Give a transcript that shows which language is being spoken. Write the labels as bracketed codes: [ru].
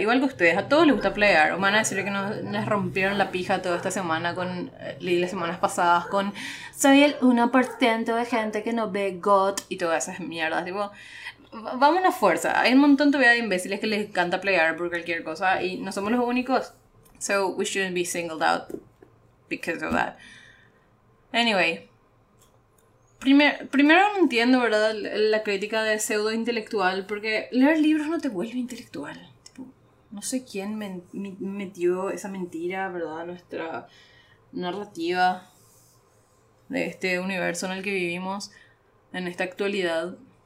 [es] Igual que ustedes, a todos les gusta playar. O me van a decir que nos rompieron la pija toda esta semana con las semanas pasadas con soy el 1% de gente que no ve GOT y todas esas mierdas. Tipo, vamos a fuerza. Hay un montón todavía de imbéciles que les encanta playar por cualquier cosa y no somos los únicos. [en] So we shouldn't be singled out because of that. Anyway. [es] Primero no entiendo, ¿verdad? La crítica de pseudo intelectual, porque leer libros no te vuelve intelectual. Tipo, no sé quién metió esa mentira, ¿verdad? Nuestra narrativa de este universo en el que vivimos en esta actualidad.